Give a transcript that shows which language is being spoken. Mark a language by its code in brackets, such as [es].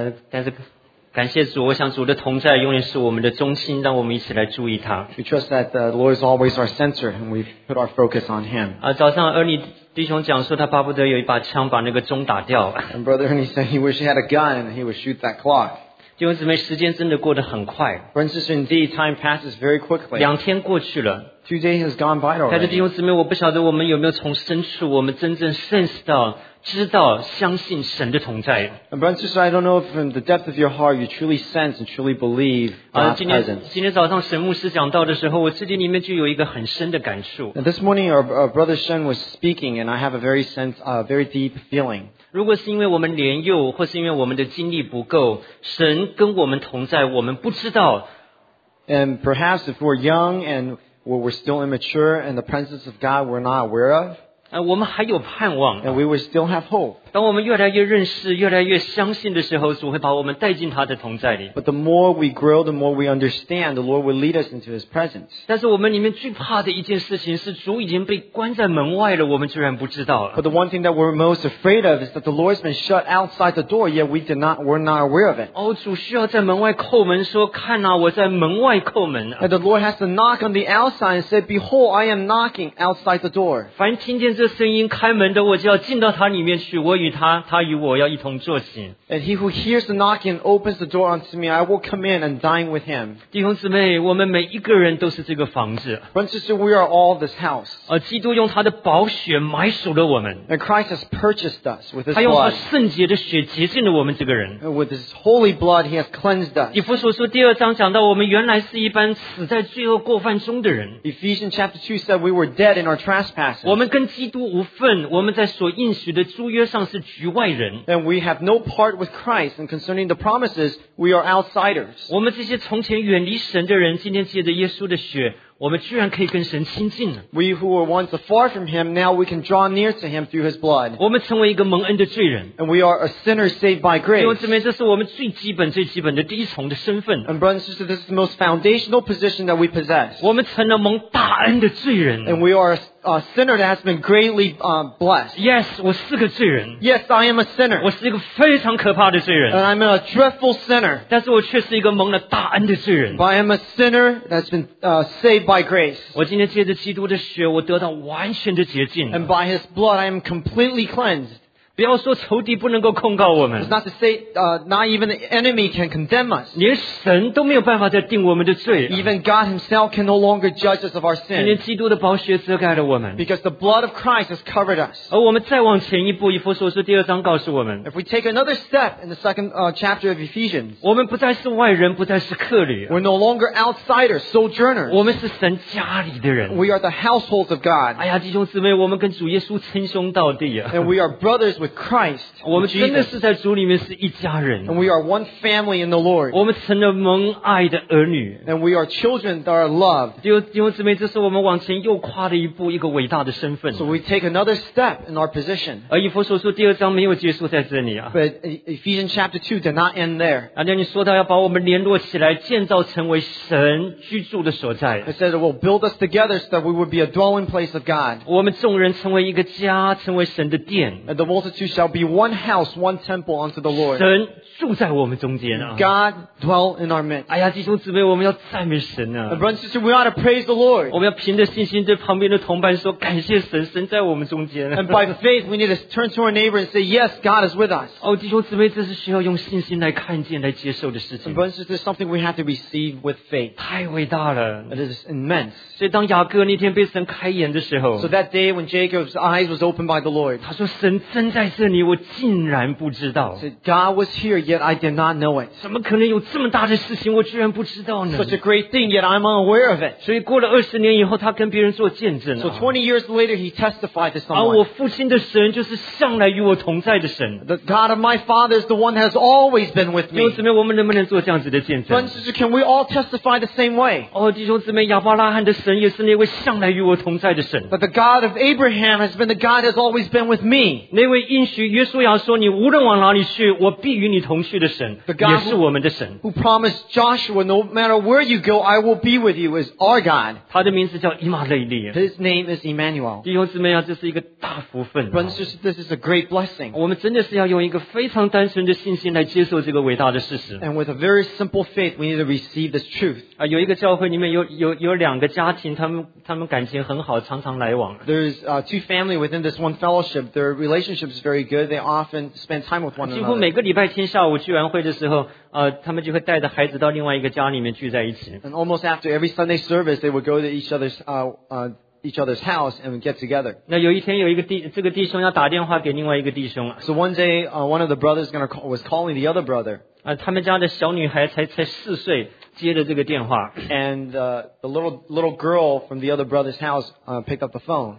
[zh] 但是感谢主，我想主的同在永远是我们的中心，让我们一起来注意他。 [en] We trust that the Lord is always our center, and we put our focus on Him. [zh] 早上 Ernie 弟兄讲说，他巴不得有一把枪把那个钟打掉。 [en] And brother Ernie said he wished he had a gun and he would shoot that clock. [zh] 弟兄姊妹，时间真的过得很快。 [en] Princess, indeed, time passes very quickly. [zh] 两天过去了。 [en] Two days has gone by already. [zh] 但是弟兄姊妹，我不晓得我们有没有从深处，我们真正 sense 到、知道、相信神的同在。 [en] Princess, I don't know if from the depth of your heart you truly sense and truly believe God's presence. [zh] 今天早上神牧师讲到的时候，我自己里面就有一个很深的感触。 [en] Now, this morning, our brother Shen was speaking, and I have a very sense, a very deep feeling. [zh] 如果是因为我们年幼或是因为我们的经历不够神跟我们同在我们不知道 [en] And perhaps if we're young and we're still immature and the presence of God we're not aware of [zh] 我们还有盼望 [en] And we would still have hope [zh] 当我们越来越认识越来越相信的时候主会把我们带进他的同在里 [en] But the more we grow the more we understand the Lord will lead us into his presence [zh] 但是我们里面最怕的一件事情是主已经被关在门外了我们居然不知道 [en] But the one thing that we're most afraid of is that the Lord has been shut outside the door yet we're not aware of it [zh] 主需要在门外叩门说看啊我在门外叩门 [en] And the Lord has to knock on the outside and say behold I am knocking outside the door [zh] 凡听见这声音开门的我就要进到他里面去我与他他与我要一同坐行 [en] And he who hears the knocking opens the door unto me I will come in and dine with him [zh] 弟兄姊妹我们每一个人都是这个房子 [en] Brothers, we are all this house [zh] 基督用他的宝血买赎了我们 [en] And Christ has purchased us with his blood [zh] 他用他圣洁的血洁净了我们这个人 [en] With his holy blood he has cleansed us [zh] 以弗所书第二章讲到我们原来是一般死在罪恶过犯中的人 [en] Ephesians chapter 2 said we were dead in our trespasses [zh] 我们跟基督无份我们在所应许的诸约上是局外人 [en] and we have no part with Christ and concerning the promises we are outsiders [zh] 我们这些从前远离神的人今天借着耶稣的血我们居然可以跟神亲近了 [en] we who were once afar from him now we can draw near to him through his blood [zh] 我们成为一个蒙恩的罪人 [en] and we are a sinner saved by grace [zh] 弟兄姊妹这是我们最基本最基本的第一重的身份 [en] and brothers and sisters this is the most foundational position that we possess [zh] 我们成了蒙大恩的罪人 [en] and we are a sinner that has been greatly blessed yes [zh] 我是个罪人 [en] yes I am a sinner [zh] 我是一个非常可怕的罪人 [en] and I'm a dreadful sinner [zh] 但是我却是一个蒙了大恩的罪人 [en] but I am a sinner that's been saved byby grace [zh] 我今天借着基督的血我得到完全的洁净 [en] and by his blood I am completely cleansed [zh] 不要说仇敌不能够控告我们 [en] it's not to say not even the enemy can condemn us [zh] 连神都没有办法再定我们的罪 [en] even God himself can no longer judge us of our sin [zh] 今天基督的宝血遮盖了我们 [en] because the blood of Christ has covered us [zh] 而我们再往前一步以弗所书第二章告诉我们 [en] if we take another step in the second chapter of Ephesians [zh] 我们不再是外人不再是客旅 [en] we're no longer outsiders, sojourners [zh] 我们是神家里的人 [en] we are the households of God [zh] 哎呀弟兄姊妹我们跟主耶稣称兄道弟 [en] and we are brothers with Christ [zh] 我们真的是在主里面是一家人 [en] and we are one family in the Lord [zh] 我们成了蒙爱的儿女 [en] and we are children that are loved [zh] 弟兄姊妹这是我们往前又跨的一步一个伟大的身份 [en] so we take another step in our position [zh] 而以弗所书第二章没有结束在这里啊 [en] but Ephesians chapter 2 did not end there [zh] 而且你说到要把我们联络起来建造成为神居住的所在 [en] it says it will build us together so that we would be a dwelling place of God [zh] 我们众人成为一个家成为神的殿 [en] and the multitude You shall be one house, one temple unto the Lord. [zh] 神住在我们中间啊。 [en] God dwell in our midst. [zh] 哎呀，弟兄姊妹，我们要赞美神啊。 [en] Brothers and sisters, we ought to praise the Lord. [zh] 我们要凭着信心对旁边的同伴说，感谢神，神在我们中间。 [en] And by faith, we need to turn to our neighbor and say, Yes, God is with us. [zh] 弟兄姊妹，这是需要用信心来看见、来接受的事情。 [en] Brothers and sisters, something we have to receive with faith. [zh] 太伟大了。 [en] It is immense. [zh] 所以当雅各那天被神开眼的时候 [en] ，So that day when Jacob's eyes was opened by the Lord, [zh] 他说神正在。在这里我竟然不知道 [en] so, God was here yet I did not know it [zh] 怎么可能有这么大的事情我居然不知道呢 [en] Such a great thing yet I'm unaware of it [zh] 所以过了20年以后他跟别人做见证 [en] So 20 years later he testified to someone [zh] 我父亲的神就是向来与我同在的神 [en] The God of my father is the one that has always been with me [zh] 弟兄姊妹我们能不能做这样子的见证 [en] But, Can we all testify the same way [zh] 弟兄姊妹亚伯拉罕的神也是那位向来与我同在的神 [en] But the God of Abraham has been the God that has always been with me [zh] 那位应许约书亚说你无论往哪里去我必与你同去的神也是我们的神 [en] who promised Joshua no matter where you go I will be with you is our God [zh] 他的名字叫以马内利 [en] His name is Emmanuel [zh] 弟兄姊妹啊这是一个大福分 [en] Brothers, this is a great blessing [zh] 我们真的是要用一个非常单纯的信心来接受这个伟大的事实 [en] and with a very simple faith we need to receive this truth [zh] 啊有一个教会里面有两个家庭他们感情很好常常来往 [en] there's two family within this one fellowship their relationship is very good they often spend time with one another [zh] 几乎每个礼拜天下午聚完会的时候他们就会带着孩子到另外一个家里面聚在一起 [en] and almost after every Sunday service they would go to each other's house and get together [zh] 那有一天有一个弟这个弟兄要打电话给另外一个弟兄 [en] so one day one of the brothers was calling the other brother [zh] 他们家的小女孩才四岁接了这个电话 [en] and the little girl from the other brother's house picked up the phone